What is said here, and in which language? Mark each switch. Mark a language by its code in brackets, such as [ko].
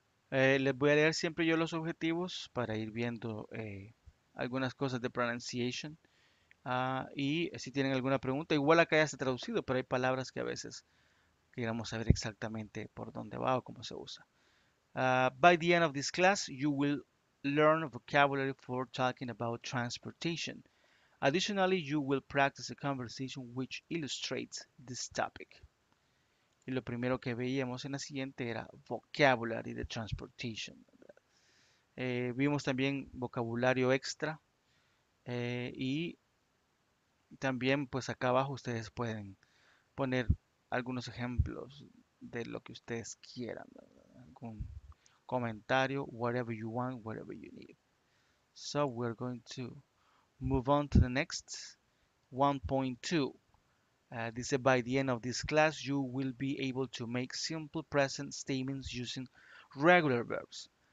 [es] Les voy a leer siempre yo los objetivos para ir viendo algunas cosas de pronunciation. Y si tienen alguna pregunta, igual acá ya está traducido, pero hay palabras que a veces queremos saber exactamente por dónde va o cómo se usa. [en] By the end of this class, you will learn vocabulary for talking about transportation. Additionally, you will practice a conversation which illustrates this topic. [es] Y lo primero que veíamos en la siguiente era vocabulary de transportation. Vimos también vocabulario extra y también pues acá abajo ustedes pueden poner algunos ejemplos de lo que ustedes quieran, ¿verdad? Algún comentario, [en] whatever you want, whatever you need. So we're going to move on to the next 1.2. Dice, by the end of this class, you will be able to make simple present statements using regular verbs.